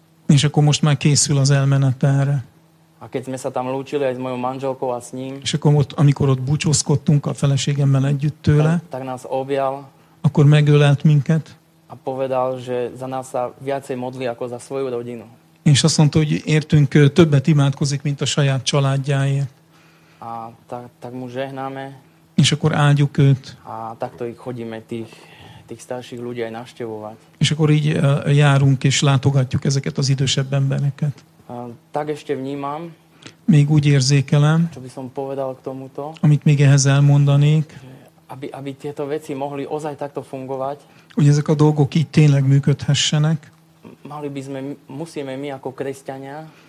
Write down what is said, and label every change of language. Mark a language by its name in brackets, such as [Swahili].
[Hungarian] És akkor most már készül az elmenetelre. [Slovak] A keď sme sa tam lúčili aj s mojou manželkou a s ním, [Hungarian] és akkor ott, amikor ott búcsúzkodtunk a feleségemmel együtt tőle, [Slovak] tak nás objal, [Hungarian] akkor megölelt minket, [Slovak] a povedal, že za nás sa viacej modlí ako za svoju rodinu. [Hungarian] És azt mondta, hogy értünk többet imádkozik, mint a saját családjáért. [Slovak] A tak mu žehnáme. [Hungarian] És akkor áldjuk őt. [Slovak] A takto ich chodíme tých starších ľudí aj navštevovať. [Hungarian] És akkor így járunk és látogatjuk ezeket az idősebb embereket. [Slovak] A tak ešte vnímam. [Hungarian] Még úgy érzékelem. [Slovak] Čo by som povedal k tomuto. [Hungarian] Amit még ehhez elmondanék. [Slovak] Aby tieto veci mohli ozaj takto fungovať. [Hungarian] Hogy ezek a dolgok így tényleg működhessenek. [Slovak] Mali by sme, musíme mi ako kresťania.